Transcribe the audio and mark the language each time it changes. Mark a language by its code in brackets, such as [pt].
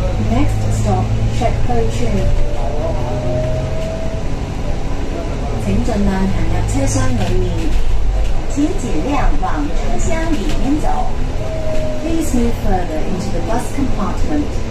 [en] Next stop， 石库村。 [zh] 请尽量行入车厢里面，请尽量往车厢里面走。 [en] Please move further into the bus compartment.